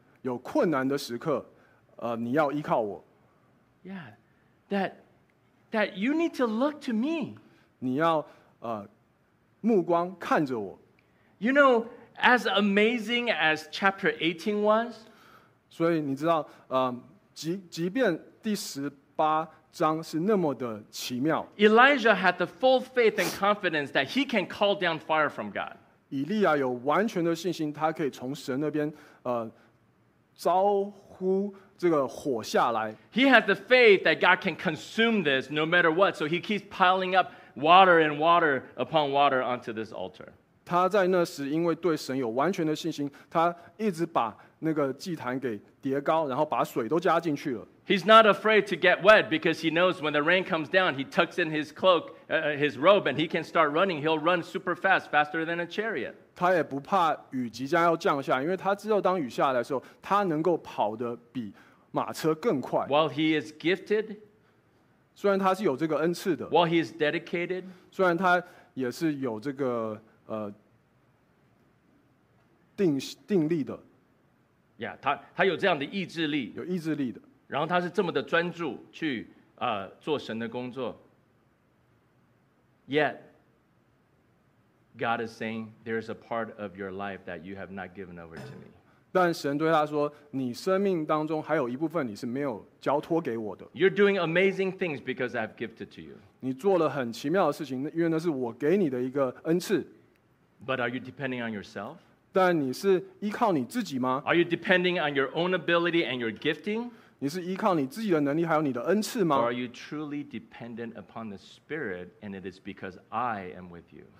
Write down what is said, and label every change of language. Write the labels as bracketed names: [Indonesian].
[Chinese] 有困难的时刻，你要依靠我。 [English] Yeah, that you need to look to me. [Chinese] 你要目光看着我。 [English] You know, as amazing as chapter 18 was. [Chinese] 所以你知道，即便第十八章是那么的奇妙。 [English] Elijah had the full faith and confidence that he can call down fire from God. [Chinese] 以利亚有完全的信心，他可以从神那边招呼这个火下来。 [English] He has the faith that God can consume this no matter what, so he keeps piling up water and water upon water onto this altar. [Chinese] 他在那时因为对神有完全的信心，他一直把那个祭坛给叠高，然后把水都加进去了。 [English] He's not afraid to get wet because he knows when the rain comes down, he tucks in his cloak, his robe, and he can start running. He'll run super fast, faster than a chariot. [Chinese] 他也不怕雨即将要降下，因为他知道当雨下来的时候，他能够跑得比马车更快。 [English] While he is gifted, [Chinese] 虽然他是有这个恩赐的。 [English] While he is dedicated, [Chinese] 虽然他也是有这个定力的。 Yeah, 他有这样的意志力。有意志力的。然后他是这么的专注去做神的工作。 [English] Yet, God is saying, there is a part of your life that you have not given over to me. [Chinese] 但神对他说，你生命当中还有一部分你是没有交托给我的。 [English] You're doing amazing things because I've gifted to you. [Chinese] 你做了很奇妙的事情，因为那是我给你的一个恩赐。 [English] But are you depending on yourself? [Chinese] 但你是依靠你自己吗？ [English] Are you depending on your own ability and your gifting? [Chinese] 你是依靠你自己的能力还有你的恩赐吗？ [English] Or are you truly dependent upon the Spirit and it is because I am with you?